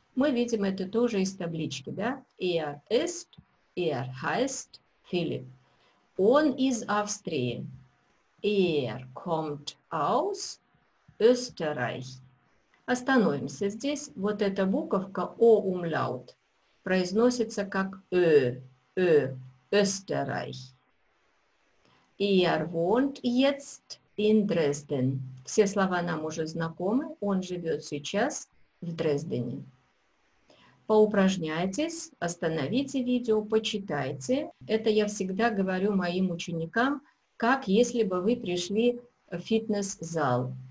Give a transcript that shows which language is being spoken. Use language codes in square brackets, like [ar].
[ru] Мы видим это тоже из таблички, да? [de] «Er ist», «Er heißt Philipp». [ru] Он из Австрии. [de] «Er kommt aus Österreich». [ru] Остановимся здесь. Вот эта буковка «О» умляут произносится как «Ö», «Ö», «Österreich». [de] «Er wohnt jetzt in Dresden». [ru] Все слова нам уже знакомы. Он живет сейчас в Дрездене. Поупражняйтесь, остановите видео, почитайте. Это я всегда говорю моим ученикам, как если бы вы пришли в фитнес-зал.